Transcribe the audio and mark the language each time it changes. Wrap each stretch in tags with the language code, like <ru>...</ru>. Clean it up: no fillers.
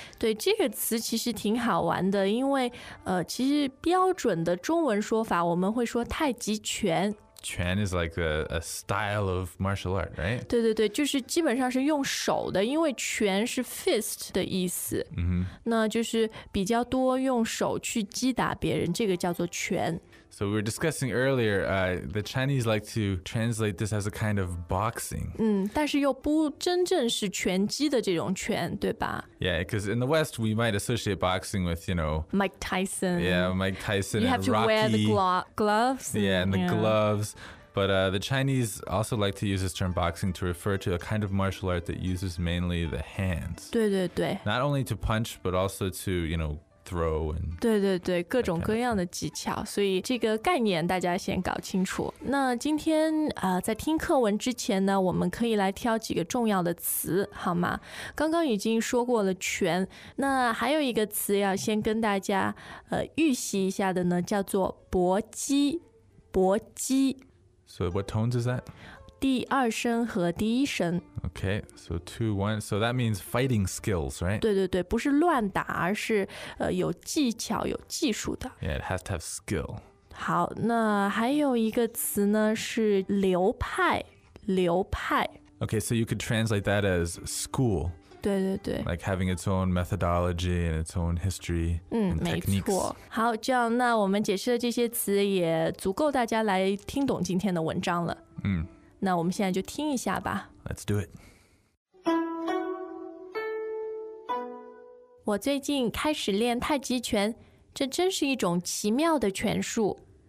<zh>对，这个词其实挺好玩的，因为其实标准的中文说法，我们会说太极拳。</zh> <en>Quan is like a style of martial art, right?</en> <zh>对对对，就是基本上是用手的，因为拳是 fist 的意思。 Mm-hmm. 那就是比较多用手去击打别人，这个叫做拳。</zh> <en>So we were discussing earlier, the Chinese like to translate this as a kind of boxing.</en> <zh>但是又不真正是拳击的这种拳，对吧？</zh> <en>Yeah, because in the West, we might associate boxing with, you know... Mike Tyson. Yeah, Mike Tyson you and Rocky. You have to wear the gloves. And the gloves. But the Chinese also like to use this term boxing to refer to a kind of martial art that uses mainly the hands.</en> <zh>对对对。</zh> <en>Not only to punch, but also to, you know... throw and</en> <zh>对对对，各种各样的技巧，所以这个概念大家先搞清楚。那今天在听课文之前呢，我们可以来挑几个重要的词，好吗？刚刚已经说过了拳，那还有一个词要先跟大家预习一下的呢，叫做搏击，搏击。</zh> <en>So what tones is that?</en> <zh>第二声和第一声。</zh> <en>Okay, so 2-1. So that means fighting skills, right?</en> <zh>对对对，不是乱打，而是有技巧、有技术的。</zh> <en>Yeah, it has to have skill.</en> <zh>好，那还有一个词呢，是流派，流派。</zh> <en>Okay, so you could translate that as school.</en> <zh>对对对。</zh> <en>Like having its own methodology and its own history and techniques.</en> <zh>没错。好，这样那我们解释的这些词也足够大家来听懂今天的文章了。那我们现在就听一下吧。</zh> <en>Let's do it.</en> <zh>我最近开始练太极拳，这真是一种奇妙的拳术。</zh>